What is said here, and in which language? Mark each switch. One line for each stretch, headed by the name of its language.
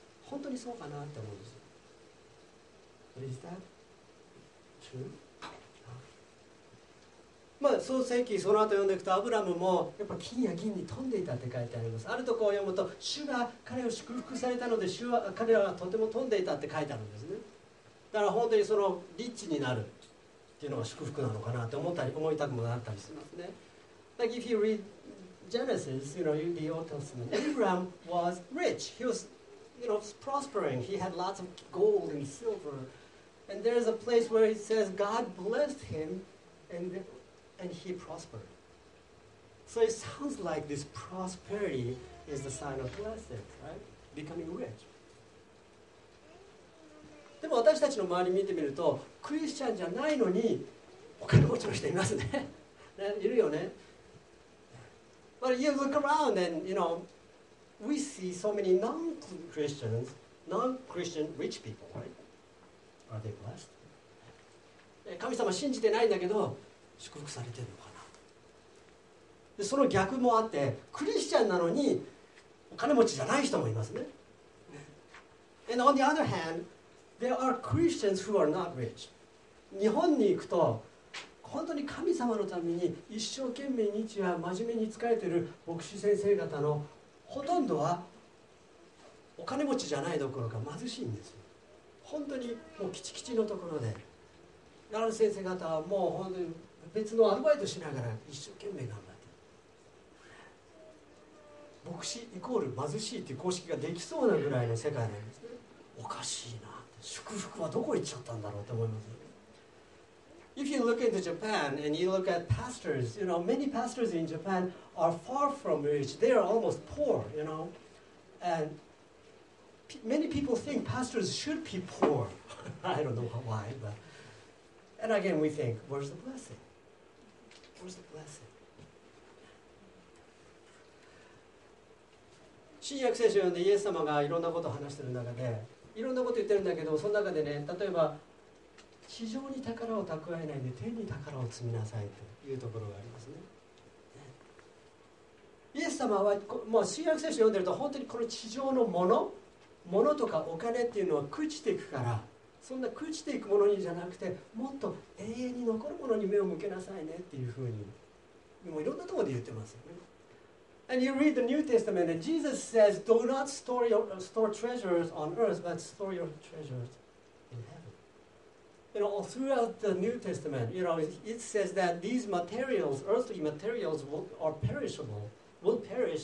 Japanese: 本当にそうかなって思うんですよ。
English: Is that true?、
Japanese: まあ、創世記その後読んでいくとアブラムもやっぱ金や銀に富んでいたって書いてあります。あるところを読むと主が彼を祝福されたので主は彼らはとても富んでいたって書いてあるんですね。だから本当にそのリッチになるっていうのが祝福なのかなって思ったり思いたくもなったりしますね。
English: Like if you read Genesis, you know, the Old Testament, Abraham was rich. He wasYou know, prospering. He had lots of gold and silver. And there is a place where it says God blessed him and he prospered. So it sounds like this prosperity is the sign of blessing, right? Becoming rich.
Japanese: でも私たちの周り見てみると、クリスチャンじゃないのに他の持ちの人いますね。ね、いるよね。
English: But you look around and, you know,We see so many non-Christians, non-Christian rich people, right? Are they blessed?
Japanese: 神様信じてないんだけど祝福されてるのかな。でその逆もあってクリスチャンなのにお金持ちじゃない人もいますね。
English: And on the other hand, there are Christians who are not rich.
Japanese: 日本に行くと本当に神様のために一生懸命日夜真面目に仕えてる牧師先生方のほとんどはお金持ちじゃないどころか貧しいんですよ。本当にもうきちきちのところで、奈良先生方はもう本当に別のアルバイトしながら一生懸命頑張ってる。牧師イコール貧しいっていう公式ができそうなぐらいの世界なんですね。おかしいな、祝福はどこ行っちゃったんだろうと思います。
English: If you look into Japan and you look at pastors, you know, many pastors in Japan are far from rich. They are almost poor, you know. And many people think pastors should be poor. I don't know why, but... And again, we think, where's the blessing? Where's the blessing?
Japanese: 新約聖書を読んでイエス様がいろんなことを話している中で、いろんなことを言ってるんだけど、その中でね、例えば、地上に宝を蓄えないで天に宝を積みなさいというところがありますね。イエス様はもう新約聖書を読んでると本当にこの地上のもの、ものとかお金っていうのは朽ちていくから、そんな朽ちていくものにじゃなくてもっと永遠に残るものに目を向けなさいねっていうふうにもういろんなところで言ってますよね。
English: And you read the New Testament and Jesus says Do not store treasures on earth but store your treasures in heaven. You know, throughout the New Testament, you know, it says that these materials, earthly materials, are perishable, will perish.